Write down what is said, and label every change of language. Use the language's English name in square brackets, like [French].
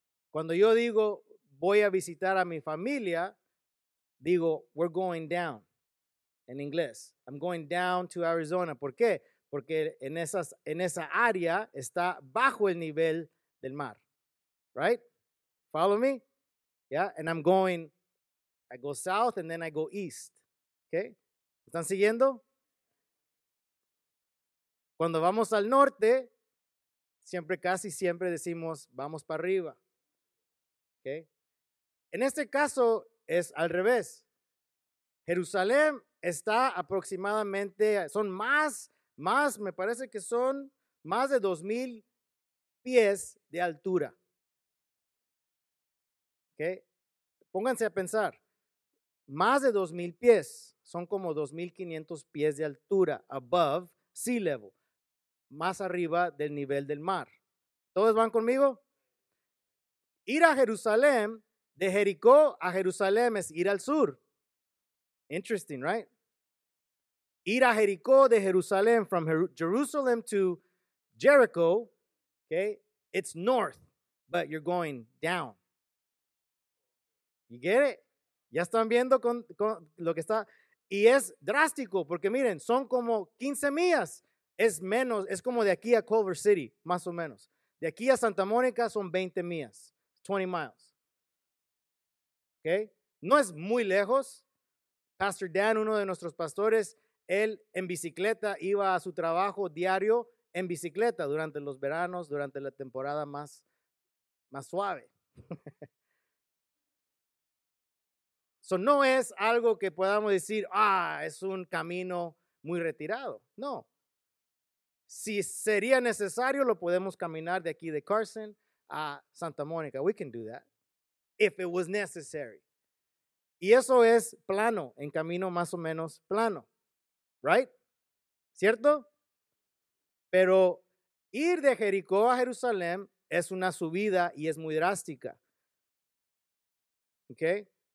[Spanish] Cuando yo digo voy a visitar a mi familia, digo [English] we're going down [Spanish] en inglés. [English] I'm going down to Arizona. [Spanish] ¿Por qué? Porque en esa área está bajo el nivel del mar. [English] Right? Follow me? Yeah? And I'm going, I go south and then I go east. [Spanish] Okay? ¿Están siguiendo? Cuando vamos al norte, siempre, casi siempre decimos vamos para arriba. Okay. En este caso es al revés. Jerusalén está aproximadamente, son más, me parece que son más de 2,000 pies de altura. Okay. Pónganse a pensar, más de 2,000 pies, son como 2,500 pies de altura, [English] above sea level, [Spanish] más arriba del nivel del mar. ¿Todos van conmigo? Ir a Jerusalén, de Jericó a Jerusalén es ir al sur. [English] Interesting, right? [Spanish] Ir a Jericó de Jerusalén, [English] from Jerusalem to Jericho, okay, it's north, but you're going down. You get it? [Spanish] Ya están viendo con lo que está. Y es drástico, porque miren, son como 15 millas. Es menos, es como de aquí a Culver City, más o menos. De aquí a Santa Mónica son 20 millas. [English] 20 miles. [Spanish] Okay? No es muy lejos. Pastor Dan, uno de nuestros pastores, él en bicicleta iba a su trabajo diario en bicicleta durante los veranos, durante la temporada más suave. So, no es algo que podamos decir, ah, es un camino muy retirado. No. Si sería necesario, lo podemos caminar de aquí de Carson a Santa Mónica. [English] We can do that if it was necessary. [Spanish] Y eso es plano, en camino más o menos plano. Right? ¿Cierto? Pero ir de Jericó a Jerusalén es una subida y es muy drástica. Okay?